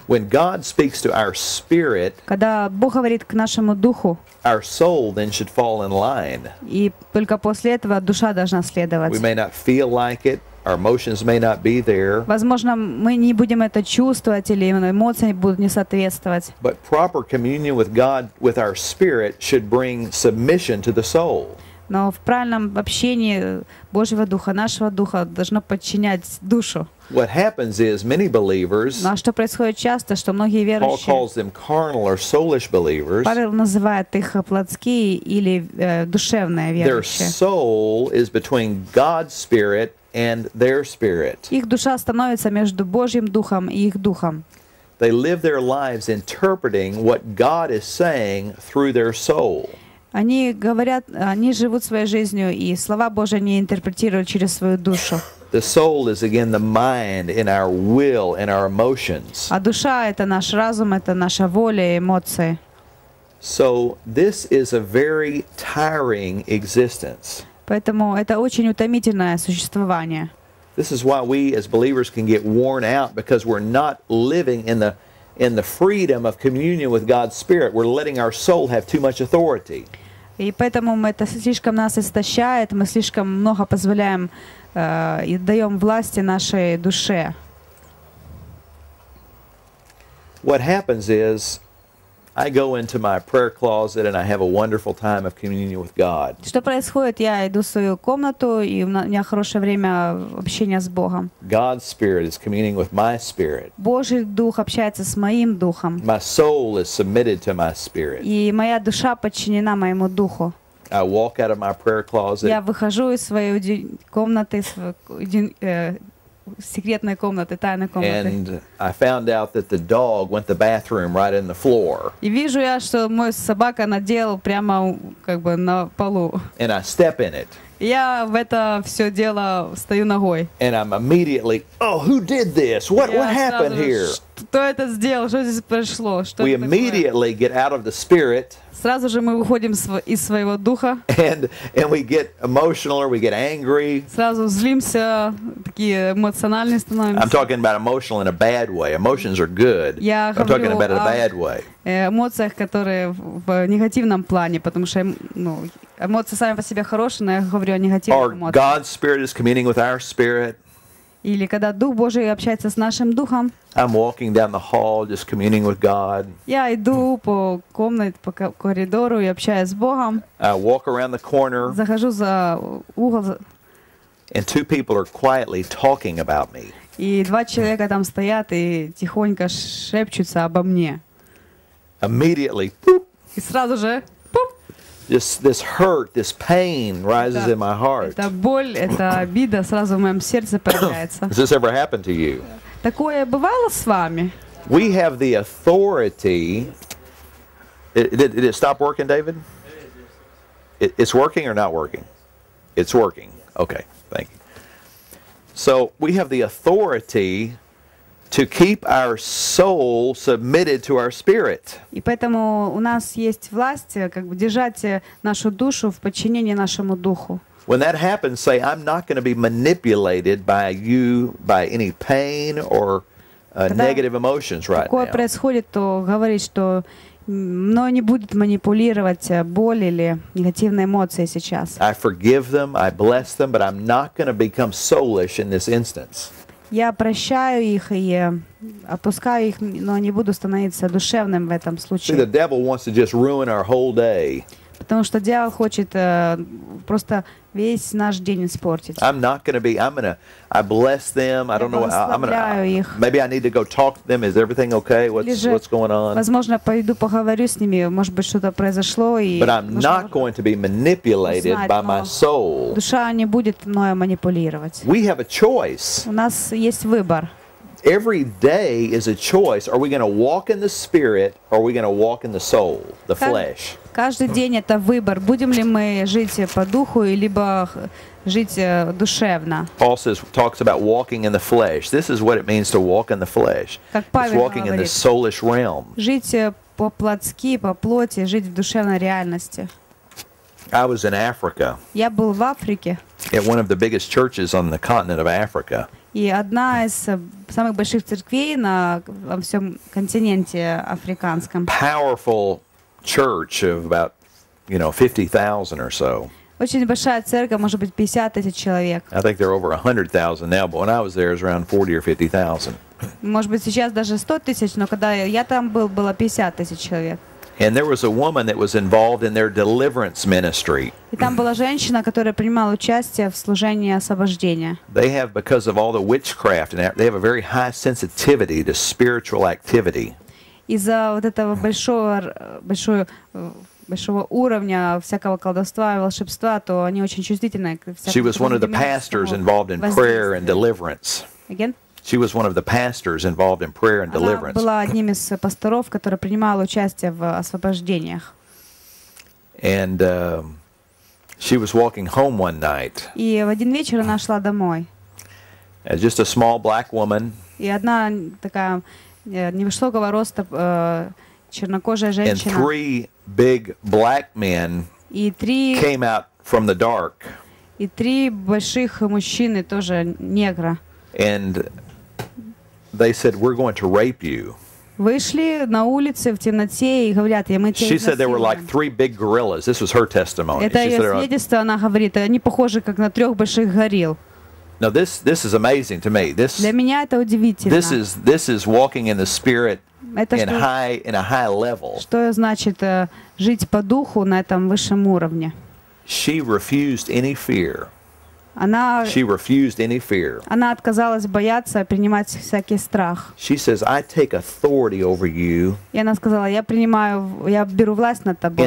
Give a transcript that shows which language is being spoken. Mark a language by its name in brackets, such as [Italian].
[English] When God speaks to our spirit, [Russian] когда Бог говорит к нашему духу, [English] our soul then should fall in line. [Russian] И только после этого душа должна следовать. [English] We may not feel like it. Our emotions may not be there. [Russian] Возможно, мы не будем это чувствовать или эмоции будут не соответствовать. [English] But proper communion with God, with our spirit, should bring submission to the soul. [Russian] Но в правильном общении Божьего Духа, нашего Духа, должно подчинять душу. [English] What happens is many believers. [Russian] Но что происходит часто, что многие верующие. [English] Paul calls them carnal or soulish believers. [Russian] Павел называет их плотские или душевные верующие. [English] Their soul is between God's spirit and their spirit. [Russian] Их душа становится между Божьим духом и их духом. [English] They live their lives interpreting what God is saying through their soul. [Russian] Они говорят, они живут своей жизнью, и слова Божьи они интерпретируют через свою душу. [English] The soul is again the mind in our will and our emotions. [Russian] А душа это наш разум, это наша воля и эмоции. [English] So this is a very tiring existence. [Russian] Поэтому это очень утомительное существование. [English] This is why we as believers can get worn out because we're not living in the freedom of communion with God's Spirit. We're letting our soul have too much authority. [Russian] И поэтому это слишком нас истощает, мы слишком много позволяем и даем власти нашей душе. [English] What happens is I go into my prayer closet and I have a wonderful time of communion with God. [Russian] Что происходит? Я иду в свою комнату и у меня хорошее время общения с Богом. [English] God's spirit is communing with my spirit. [Russian] Божий дух общается с моим духом. [English] My soul is submitted to my spirit. [Russian] И моя душа подчинена моему духу. [English] I walk out of my prayer closet. [Russian] Я выхожу из своей комнаты, из секретной комнаты, тайной комнаты. [English] And I found out that the dog went the bathroom right in the floor. [Russian] И вижу я, что мой собака наделал прямо как бы на полу. [English] And I step in it. [Russian] Я в это все дело стою ногой. [English] And I'm immediately, oh, who did this? What happened here? [Russian] Кто это сделал? Что здесь произошло? Что [English] we immediately Get out of the spirit. [Russian] Сразу же мы выходим из своего духа. [English] And we get emotional or we get angry. [Russian] Сразу злимся, такие эмоциональные становимся. [English] I'm talking about emotional in a bad way. Emotions are good. [Russian] Я [English] I'm [Russian] говорю [English] talking about it in a bad way. [Russian] Эмоциях, которые в негативном плане, потому что ну, эмоции сами по себе хорошие, но я говорю о негативных [English] our [Russian] эмоциях. [English] God's spirit is communing with our spirit. [Russian] Или когда Дух Божий общается с нашим духом. [English] I'm walking down the hall, just communing with God. [Russian] Я иду по комнате, по коридору и общаюсь с Богом. [English] I walk around the corner. [Russian] Захожу за угол. [English] And two people are quietly talking about me. [Russian] И два человека там стоят и тихонько шепчутся обо мне. [English] Immediately, boop. [Russian] И сразу же, boop. [English] This hurt, this pain rises in my heart. [Russian] Эта боль, эта обида сразу в моем сердце появляется. [English] Has this ever happened to you? [Russian] Такое бывало с вами? [English] We have the authority. Did it stop working, David? It's working or not working? It's working. Okay, thank you. So we have the authority to keep our soul submitted to our spirit. [Russian] И поэтому у нас есть власть, как бы держать нашу душу в подчинении нашему духу. [English] When that happens, say, I'm not going to be manipulated by you, by any pain or negative emotions right now. [Russian] Когда такое происходит, то говорить, что мной не будет манипулировать боль или негативные эмоции сейчас. [English] I forgive them, I bless them, but I'm not going to become soulish in this instance. [Russian] Я прощаю их и отпускаю их, но не буду становиться душевным в этом случае. [English] See, the devil wants to just ruin our whole day. [Russian] Потому что дьявол хочет просто весь наш день испортить. [English] I'm not going to be, I bless them, I don't know, maybe I need to go talk to them, is everything okay, what's going on? [Russian] Возможно, пойду поговорю с ними, может быть, что-то произошло. [English] But I'm not going to be manipulated by my soul. [Russian] Душа не будет мною манипулировать. [English] We have a choice. [Russian] У нас есть выбор. [English] Every day is a choice. Are we going to walk in the spirit or are we going to walk in the soul, the flesh? [Russian] Каждый день это выбор. Будем ли мы жить по духу или жить душевно? [English] Paul talks about walking in the flesh. This is what it means to walk in the flesh. [Russian] Как Павел говорит, [English] walking in the soulish realm. [Russian] Жить по плотски, по плоти, жить в душевной реальности. [English] I was in Africa. [Russian] Я был в Африке. [English] At one of the biggest churches on the continent of Africa. [Russian] И одна из самых больших церквей на всем континенте африканском. [English] Powerful church of about, you know, 50,000 or so. [Russian] Очень большая церковь, может быть, 50 тысяч человек. [English] I think they're over 100,000 now, but when I was there, it was around 40 or 50,000. [Russian] Может быть, сейчас даже 100 тысяч, но когда я там был, было 50 тысяч человек. [English] And there was a woman that was involved in their deliverance ministry. [Russian] И там была женщина, которая принимала участие в служении освобождения. [English] They have, because of all the witchcraft, they have a very high sensitivity to spiritual activity. [Russian] Из-за вот этого большого уровня всякого колдовства и волшебства, то они очень чувствительны. [English] She was one of the pastors involved in prayer and deliverance. Again? She was one of the pastors involved in prayer and deliverance. [Russian] Она была одним из пасторов, который принимал участие в освобождениях. [English] And she was walking home one night. [Russian] И в один вечер она шла домой. [English] Just a small black woman. [Russian] И одна такая невысокого роста чернокожая женщина. [English] And three big black men came out from the dark. [Russian] И три больших мужчины, тоже негра. [English] And they said, "We're going to rape you." [Russian] Вышли на улице в темноте и говорят, мы тебя. [English] She said they were like three big gorillas. This was her testimony. [Russian] Это ее свидетельство. Она говорит, они похожи как на трех больших горилл. [English] Now this is amazing to me. This [Russian] для меня это удивительно. [English] This is walking in the spirit in a high level. [Russian] Что значит жить по духу на этом высшем уровне? [English] She refused any fear. She refused any fear. [Russian] Она отказалась бояться, принимать всякий страх. [English] She says, "I take authority over you." [Russian] И она сказала, я принимаю, я беру власть над тобой.